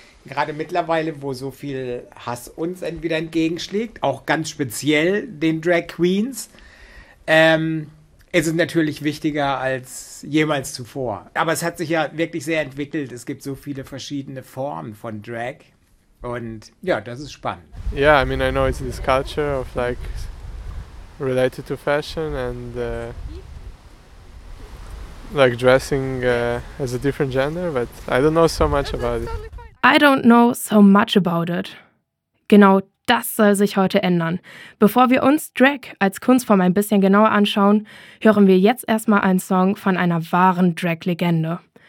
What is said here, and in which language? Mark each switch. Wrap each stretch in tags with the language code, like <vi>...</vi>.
<de>Gerade mittlerweile, wo so viel Hass uns entweder entgegenschlägt, auch ganz speziell den Drag Queens, ist es natürlich wichtiger als jemals zuvor. Aber es hat sich ja wirklich sehr entwickelt. Es gibt so viele verschiedene Formen von Drag. Und ja, das ist spannend.</de> <en>Yeah, I mean, I know it's this culture of like related to fashion and like dressing as a different gender, but I don't know so much about it. I don't know so much about it.</en> <de>Genau das soll sich heute ändern. Bevor wir uns Drag als Kunstform ein bisschen genauer anschauen, hören wir jetzt erstmal einen Song von einer wahren Drag-Legende.</de>